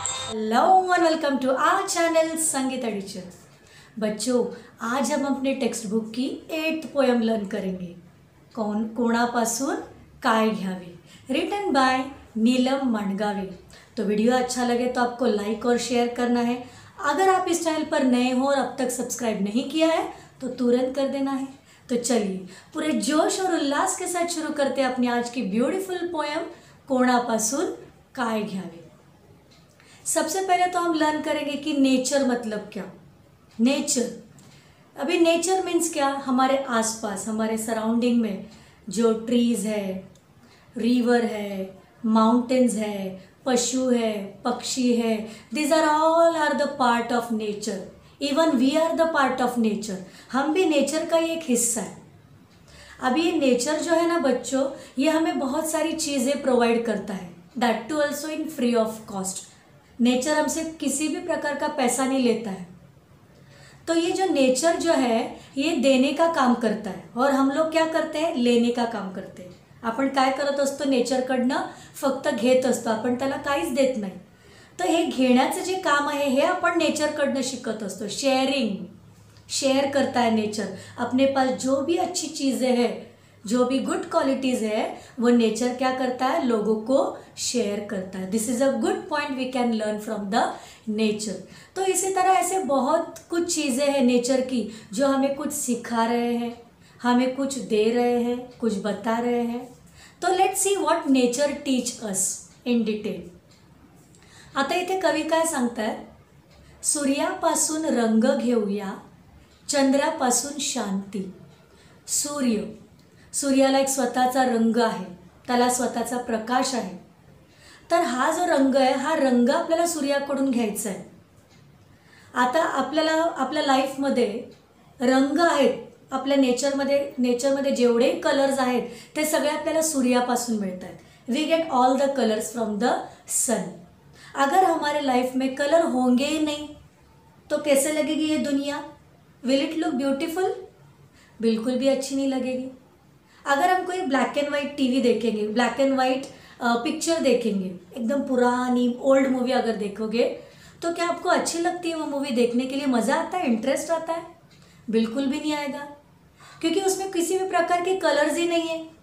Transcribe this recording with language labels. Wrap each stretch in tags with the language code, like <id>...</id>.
<hi>Hello and welcome to our channel संगीत teacher. बच्चों, आज हम अपने टेक्स्ट बुक की 8th पोयम लर्न करेंगे।</hi> <mr>कौन कोणापासून काय घ्यावे,</mr> <en>written by</en> <mr>नीलम मंडगावे।</mr> <hi>तो वीडियो अच्छा लगे तो आपको लाइक और शेयर करना है। अगर आप इस चैनल पर नए हो और अब तक सब्सक्राइब नहीं किया है तो तुरंत कर देना है। तो चलिए पूरे जोश और उल्लास के साथ शुरू करते हैं अपनी आज की ब्यूटीफुल पोयम कोणापासून काय घ्यावे। सबसे पहले तो हम लर्न करेंगे कि नेचर मतलब क्या। नेचर, अभी नेचर मीन्स क्या, हमारे आसपास, हमारे सराउंडिंग में जो ट्रीज है, रिवर है, माउंटेन्स है, पशु है, पक्षी है,</hi> <en>These are all are the part of nature. Even we are the part of nature,</en> <hi>हम भी नेचर का ही एक हिस्सा है। अभी ये नेचर जो है ना बच्चों, ये हमें बहुत सारी चीज़ें प्रोवाइड करता है,</hi> <en>That too also in free of cost.</en> <hi>Nature हमसे किसी भी प्रकार का पैसा नहीं लेता है। तो ये जो नेचर जो है, ये देने का काम करता है और हम लोग क्या करते हैं, लेने का काम करते हैं।</hi> <mr>आपण काय करत असतो, नेचर कडनं फक्त घेत असतो, आपण त्याला काहीच देत नाही। तर हे घेण्याचं जे काम आहे हे आपण नेचर कडनं शिकत असतो।</mr> <hi>शेअरिंग, शेअर करता है नेचर, अपने पास जो भी अच्छी चीजें है, जो भी गुड क्वालिटीज है, वो नेचर क्या करता है, लोगों को शेयर करता है।</hi> <en>This is a good point we can learn from the nature.</en> <hi>तो इसी तरह ऐसे बहुत कुछ चीज़ें हैं नेचर की जो हमें कुछ सिखा रहे हैं, हमें कुछ दे रहे हैं, कुछ बता रहे हैं।</hi> <en>तो let's see what nature teach us in detail.</en> <mr>आता इथे कवी काय सांगता है, सूर्यापासून रंग घेऊया, चंद्रापासून शांती। सूर्य, सूर्याला एक स्वतःचा रंग आहे, त्याला स्वतःचा प्रकाश आहे। तर हा जो रंग आहे, हा रंग आपल्याला सूर्याकडून घ्यायचा आहे। आता आपल्याला आपल्या लाईफमध्ये रंग आहेत, आपल्या नेचरमध्ये नेचरमध्ये जेवढे कलर्स आहेत ते सगळे आपल्याला सूर्यापासून मिळत आहेत।</mr> <en>We get all the colours from the sun.</en> <hi>अगर हमारे लाईफ में कलर होंगे ही नाही तो कैसे लगेगी ये दुनिया,</hi> <en>will it look beautiful,</en> <hi>बिल्कुल भी अच्छी नहीं लगेगी। अगर हम कोई ब्लैक एंड व्हाइट टीवी देखेंगे, ब्लैक एंड व्हाइट पिक्चर देखेंगे, एकदम पुरानी ओल्ड मूवी अगर देखोगे तो क्या आपको अच्छी लगती है वो मूवी देखने के लिए, मज़ा आता है, इंटरेस्ट आता है, बिल्कुल भी नहीं आएगा, क्योंकि उसमें किसी भी प्रकार के कलर्स ही नहीं है।</hi>